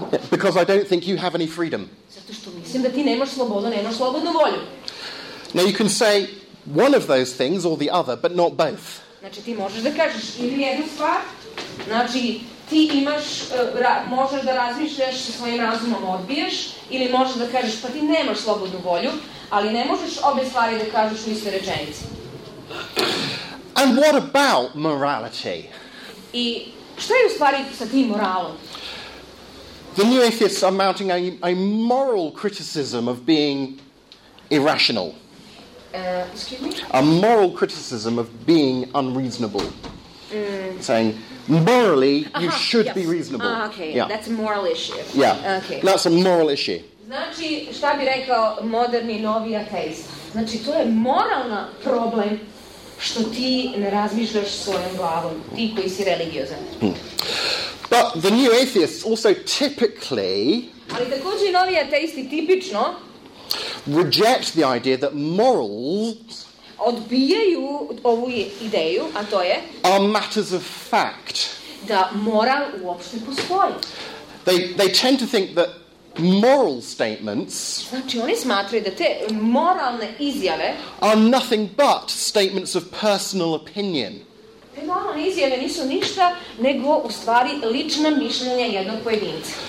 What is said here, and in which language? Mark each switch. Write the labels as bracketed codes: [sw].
[en] Because I don't think you have any freedom. [sr] Zato što mislim da ti nemaš slobodu, nemaš slobodnu volju. [en] Now you can say one of those things or the other, but not both. [sr] Znači ti možeš da kažeš ili jednu stvar, znači ti imaš možeš da razmišljaš sa svojim razumom odbiješ ili možeš da kažeš pa ti nemaš slobodnu volju, ali ne možeš obe stvari da kažeš u istoj rečenici. [en] And what about morality? [sr] I šta je u stvari sa tim moralom? [en] The new atheists are mounting a moral criticism of being irrational. Excuse me? A moral criticism of being unreasonable. Mm. Saying, morally, you should be reasonable. Okay, yeah. That's a moral issue. Yeah, okay. That's a moral issue. [sr] Znači, šta bi rekao moderni novi ateist? Znači, to je moralna problem što ti ne razmišljaš svojom glavom, ti koji si religiozan. [en] But the new atheists also typically [sr] ali također novi ateisti tipično [en] reject the idea that morals [sr] odbijaju ovu ideju, a to je [en] are matters of fact. [sr] Da moral uopšte postoji. [en] They tend to think that moral statements [sr] znači oni smatraju da te moralne izjave [en] are nothing but statements of personal opinion. [sr] Te moralne izjave nisu ništa nego u stvari lična mišljenja jednog pojedinca.